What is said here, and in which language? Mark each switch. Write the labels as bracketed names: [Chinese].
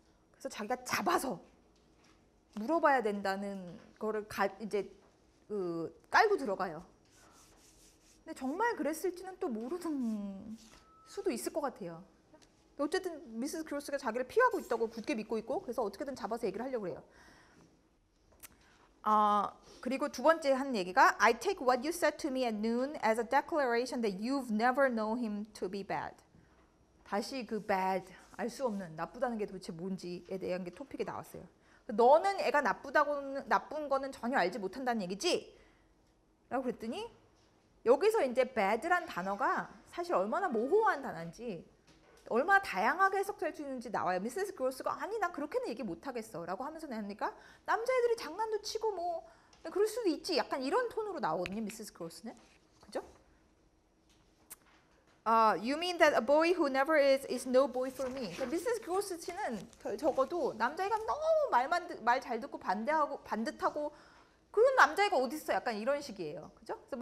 [Korean] 그래서 자기가 잡아서 물어봐야 된다는 거를 이제 깔고 들어가요. 근데 정말 그랬을지는 또 모르는 수도 있을 것 같아요. 어쨌든 미세스 그로스가 자기를 피하고 있다고 굳게 믿고 있고 그래서 어떻게든 잡아서 얘기를 하려고 그래요. 그리고 두 번째 한 얘기가 [English] I take what you said to me at noon as a declaration that you've never known him to be bad. [Korean] 다시 그 bad, 알수 없는, 나쁘다는 게 도대체 뭔지에 대한 게 토픽이 나왔어요. 너는 애가 나쁜 거는 전혀 알지 못한다는 얘기지? 라고 그랬더니 여기서 이제 bad란 단어가 사실 얼마나 모호한 단어인지 얼마나 다양하게 해석될 수 있는지 나와요. 미세스 그로스가 아니 난 그렇게는 얘기 못하겠어 라고 하면서 내니까 남자애들이 장난도 치고 뭐 그럴 수도 있지 약간 이런 톤으로 나오거든요. 미세스 그로스는. 그죠? [English] You mean that a boy who never is no boy for me. [Korean] 미세스 그로스치는 적어도 남자애가 너무 말잘 듣고 반듯하고 그런 남자애가 어딨어 약간 이런 식이에요. 그죠?